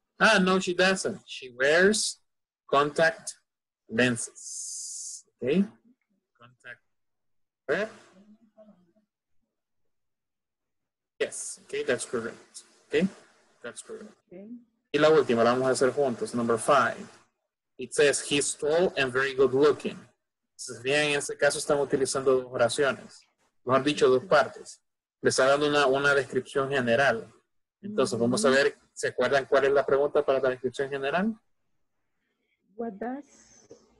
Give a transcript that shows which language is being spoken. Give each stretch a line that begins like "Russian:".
English: Ah, no, she doesn't. She wears contact lenses, okay. Contact, where? Yes, okay, that's correct, okay. That's correct.
Spanish: Okay. Y la última, la vamos a hacer juntos.
English: Number five. It says, he's tall and very good looking.
Spanish: Entonces, bien, en este caso estamos utilizando dos oraciones. Mejor dicho, dos partes. Le está dando una descripción general. Entonces, mm-hmm. Vamos a ver, ¿se acuerdan cuál es la pregunta para la descripción general?
English: What does...